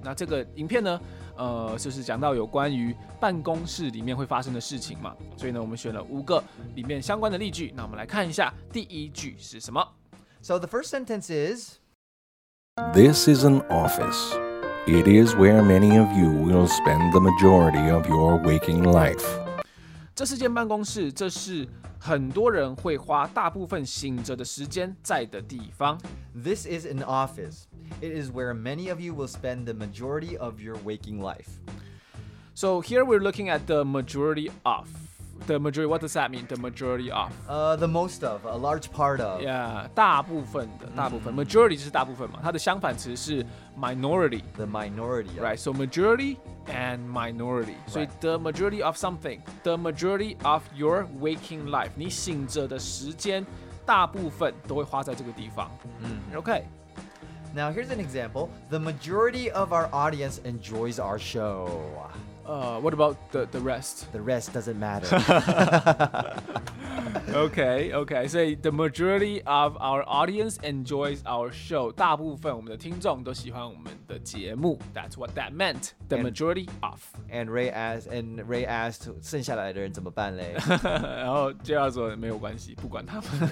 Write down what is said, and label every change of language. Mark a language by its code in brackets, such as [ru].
[zh] 那这个影片呢，就是讲到有关于办公室里面会发生的事情嘛，所以呢，我们选了五个里面相关的例句。那我们来看一下第一句是什么。 [en] So the first sentence is, This is an office. It is where many of you will spend the majority of your waking life. [zh] 这是间办公室，这是很多人会花大部分醒着的时间在的地方。 [en] This is an office. It is where many of you will spend the majority of your waking life. So here we're looking at the majority of. The majority, what does that mean? The majority of? The most of, a large part of. Yeah, [zh] 大部分的大部分、mm-hmm. Majority 就是大部分嘛，它的相反词是 minority. [en] The minority. Right, so majority and minority. Right. [zh] 所以 [en] the majority of something, the majority of your waking life, [zh] 你醒着的时间大部分都会花在这个地方。 [en] Mm. Okay. Now here's an example. The majority of our audience enjoys our show. What about the rest? The rest doesn't matter. okay. So the majority of our audience enjoys our show. [zh] 大部分我们的听众都喜欢我们的节目。 [en] That's what that meant. The majority of. And Ray asked, [zh] 剩下来的人怎么办嘞？然后 JR 说没有关系，不管他们。